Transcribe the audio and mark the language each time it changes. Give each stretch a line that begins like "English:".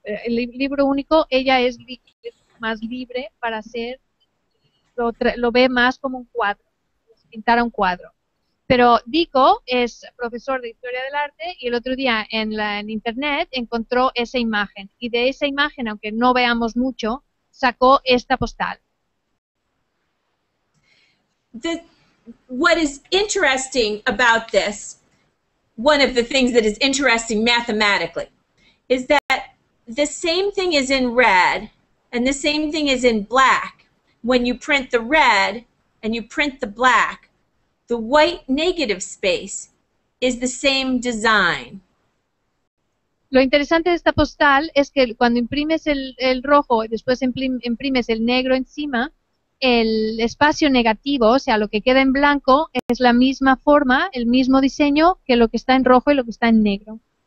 Spanish: El libro único, ella es más libre para hacer, lo ve más como un cuadro, pintar un cuadro. Pero Dico es profesor de Historia del Arte y el otro día en Internet encontró esa imagen. Y de esa imagen, aunque no veamos mucho, sacó esta postal.
English: What is interesting about this, one of the things that is interesting mathematically, is that the same thing is in red and the same thing is in black. When you print the red and you print the black, the white negative space is the same design.
Spanish: Lo interesante de esta postal es que cuando imprimes el rojo y después imprimes el negro encima, el espacio negativo, o sea, lo que queda en blanco, es la misma forma, el mismo diseño que lo que está en rojo y lo que está en negro.